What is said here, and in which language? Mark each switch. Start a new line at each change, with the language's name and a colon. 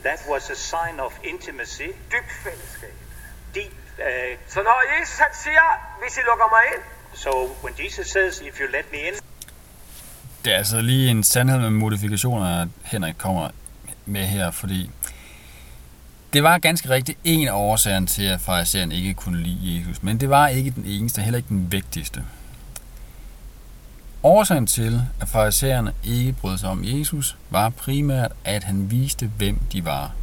English: That was a sign of intimacy.
Danish: Dyb fællesskab.
English: Deep.
Danish: Så når Jesus han siger, hvis I lukker mig ind.
English: So when Jesus says, if you let me in.
Danish: Det er altså lige en sandhed med modifikationer, at Henrik kommer med her, fordi det var ganske rigtigt en af årsagerne til, at farisæerne ikke kunne lide Jesus, men det var ikke den eneste, heller ikke den vigtigste. Årsagen til, at farisæerne ikke brød sig om Jesus, var primært, at han viste, hvem de var.